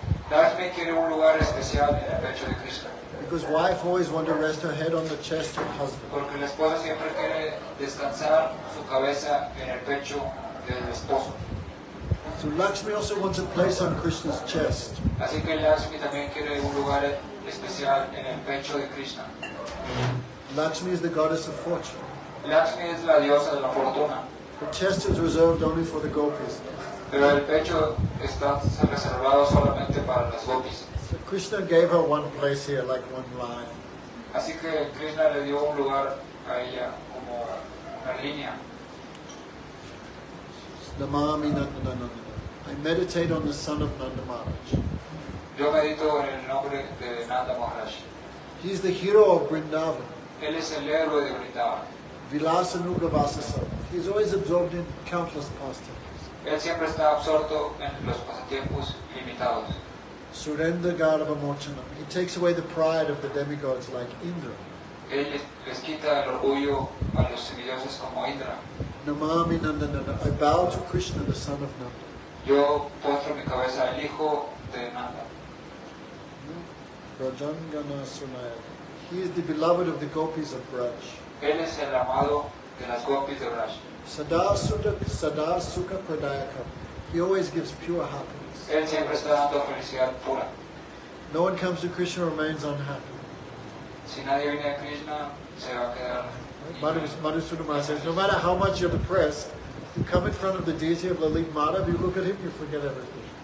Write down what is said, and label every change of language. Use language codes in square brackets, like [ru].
[es] Lakshmi quiere un lugar especial en el pecho de Krishna. [en] Because wife always wants to rest her head on the chest of husband. [es] Porque la esposa siempre quiere descansar su cabeza en el pecho del esposo. [en] So Lakshmi also wants a place on Krishna's chest. [es] Así que Lakshmi también quiere un lugar especial en el pecho de Krishna. [en] Lakshmi is the goddess of fortune. [es] Lakshmi es la diosa de la fortuna. [en] The chest is reserved only for the gopis. [es] Pero el pecho está reservado solamente para las gopis. [en] Krishna gave her one place here, like one line. [es] Así que Krishna le dio un lugar a ella, como una línea. [sa] Namami Nandanandana. [en] I meditate on the son of Nanda Maharaj. [es] Yo medito en el nombre de Nanda Maharaj. [en] He is the hero of Vrindavan. [es] Él es el héroe de Vrindavan. [sa] Vilasa Nugavasasa. [en] He is always absorbed in countless pastimes. [es] Él siempre está absorto en los pasatiempos ilimitados. [sa] Surendra Garva Mochanam. [en] He takes away the pride of the demigods like Indra. [es] Él les quita el orgullo a los semidioses como Indra. [sa] Namami Nandanana. [en] I bow to Krishna, the son of Nanda. [es] Yo postro mi cabeza al hijo de Nanda. [sa] Rajangana Sunaya. [en] He is the beloved of the gopis of Braj. [es] Él es el amado de las gopis de Braj. [sa] Sadasuka Pradayakam. [en] He always gives pure happiness. [es] Él siempre está dando felicidad pura. [en] No one comes to Krishna and remains unhappy. [es] Si nadie viene a Krishna, se va a quedar. [en] Madhusudama says, no matter how much you're depressed, you come in front of the deity of Lalit Madhav, you look at him, you forget everything.